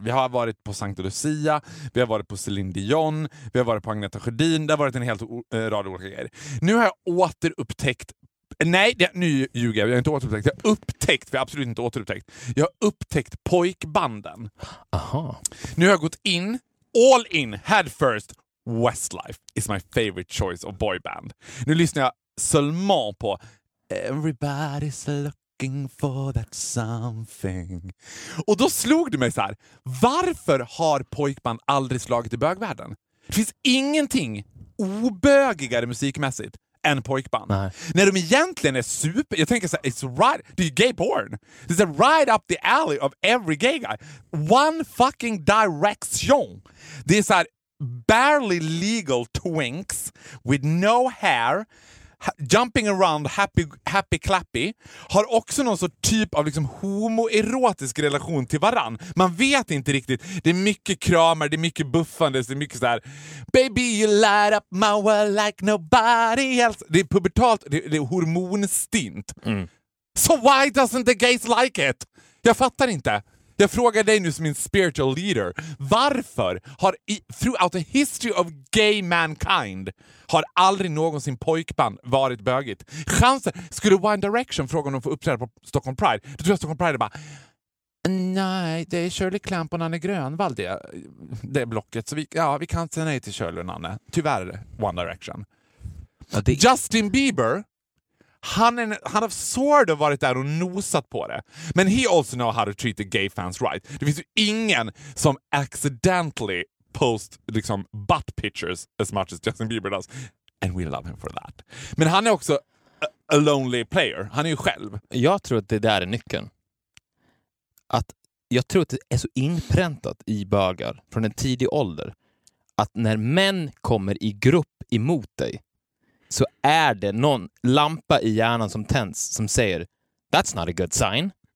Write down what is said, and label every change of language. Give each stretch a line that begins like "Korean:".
Swedish: Vi har varit på Santa Lucia. Vi har varit på Celine Dion. Vi har varit på Agneta Sjödin. Det har varit en helt rad olika grejer. Nu har jag återupptäckt. Nej, nu ljuger jag. Jag har inte återupptäckt. Jag har upptäckt, för jag har absolut inte återupptäckt. Jag har upptäckt pojkbanden. Aha. Nu har jag gått in,
English: all in, head first. Westlife is my favorite choice of boyband.
Swedish: Nu lyssnar jag Salman på Everybody's looking for that something. Och då slog det mig så här. Varför har pojkband aldrig slagit i bögvärlden? Det finns ingenting obögigare musikmässigt en pojkband. Nej. När de egentligen är super... Jag tänker så här,
English: it's right...
Swedish: Det är gay porn.
English: It's a right up the alley of every gay guy. One fucking direction.
Swedish: Det är så här,
English: barely legal twinks with no hair, jumping around happy clappy,
Swedish: har också någon sån typ av liksom homoerotisk relation till varann. Man vet inte riktigt. Det är mycket kramar, det är mycket buffande, det är mycket så här:
English: baby, you light up my world like nobody else.
Swedish: Det är pubertalt, det är hormonstint. Mm.
English: So why doesn't the gays like it?
Swedish: Jag fattar inte. Jag frågar dig nu som min spiritual leader. Varför har
English: throughout the history of gay mankind
Swedish: har aldrig någonsin pojkband varit bögigt? Chansen, skulle One Direction fråga om de får uppträda på Stockholm Pride? Då tror jag Stockholm Pride är bara nej, det är Shirley Clamp och Nanne Grönvall det blocket. Så vi kan inte säga nej till Shirley och Nanne. Tyvärr One Direction. Justin Bieber, han har sort of varit där och nosat på det.
English: Men he also know how to treat the gay fans right.
Swedish: Det finns ju ingen som
English: accidentally post liksom butt pictures as much as Justin Bieber does. And we love him for that.
Swedish: Men han är också
English: a lonely player.
Swedish: Han är ju själv. Jag tror att det där är nyckeln. Att jag tror att det är så inpräntat i bögar från en tidig ålder att när män kommer i grupp emot dig så är det någon lampa i hjärnan som tänds som säger
English: that's not a good sign.